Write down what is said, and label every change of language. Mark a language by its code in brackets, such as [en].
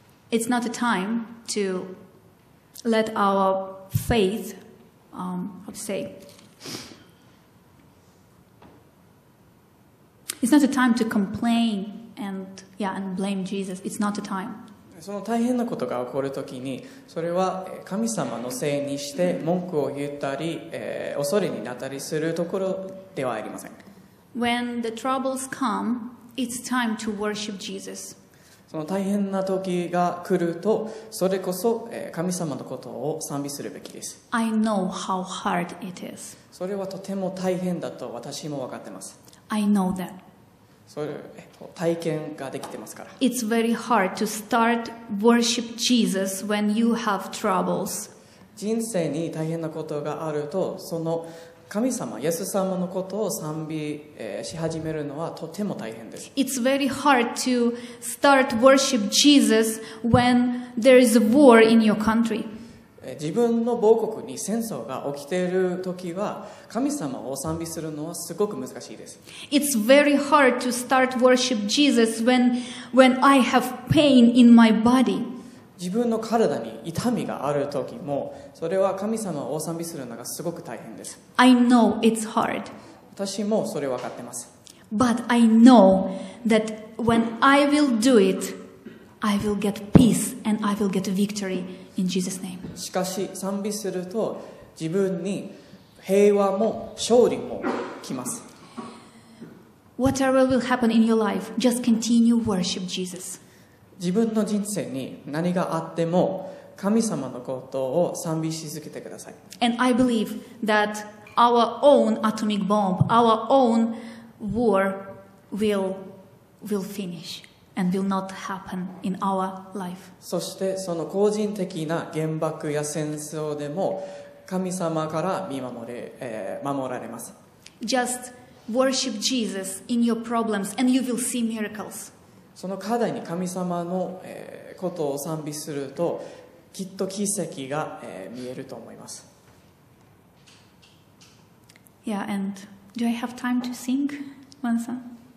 [en] it's not a time to let our faithhow to say it's not a time to complain and blame Jesus. It's not a time. [ja] その大変なことが起こるときに、それは神様のせいにして文句を言ったり、恐れになったりするところではありません。 [en] When the troubles come, it's time to worship Jesus. [ja] その大変な時が来ると、それこそ神様のことを賛美するべきです。 [en] I know how hard it is. [ja] それはとても大変だと私も分かってます。 [en] I know that. [ja] それ、体験ができてますから。 [en] It's very hard to start worship Jesus when you have troubles. [ja] 人生に大変なことがあると、その神様、イエス様のことを賛美、し始めるのはとても大変です。 [en] It's very hard to start worship Jesus when there is a war in your country. [ja] 自分の母国に戦争が起きている時は、神様を賛美するのはすごく難しいです。 [en] It's very hard to start worship Jesus when I have pain in my body. [ja] 自分の体に痛みがある時も、それは神様を賛美するのがすごく大変です。 [en] I know it's hard. [ja] 私もそれ分かってます。 [en] But I know that when I will do it, I will get peace and I will get victory in Jesus' name. [ja] しかし賛美すると自分に平和も勝利も来ます。 [en] Whatever will happen in your life, just continue worship Jesus. [ja] 自分の人生に何があっても神様のことを賛美し続けてください。 [en] And I believe that our own atomic bomb, our own war will finish and will not happen in our life. [ja] そしてその個人的な原爆や戦争でも神様から見守れ、守られます。 [en] Just worship Jesus in your problems and you will see miracles. [ja] その課題に神様の、ことを賛美するときっと奇跡が、見えると思います。 [en] Yeah, and do I have time to sing one song?